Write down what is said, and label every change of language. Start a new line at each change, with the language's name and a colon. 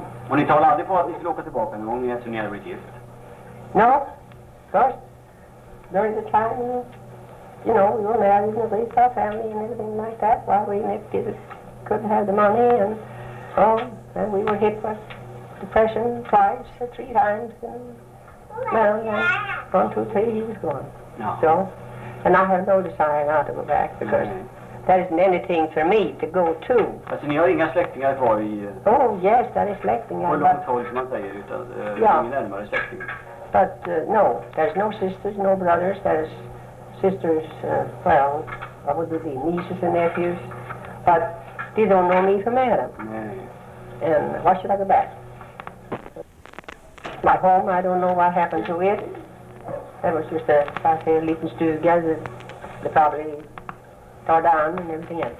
Swedish: Och ni talade aldrig på att ni skulle åka tillbaka någon gång eftersom ni hade blivit gift?
English: No, of course, during the time, you know, we were married and raised our family and everything like that, while we nipped it, couldn't have the money, and so, and we were hit with depression twice or three times, and... Well, 1, 2, 3, he was gone. No. So, and I have no desire now to go back because there isn't anything for me to go to.
Swedish: Alltså, ni har inga släktingar kvar i...
English: Oh, yes, there is släktingar.
Swedish: På långt håll, som man säger, utan ingen närmare släktingar.
English: But, no, there's no sisters, no brothers, there's sisters, well, what would it be, nieces and nephews. But they don't know me from Adam.
Swedish: Nej.
English: And why should I go back? My home, I don't know what happened to it. That was just a five little stuga that they probably tore down and everything else.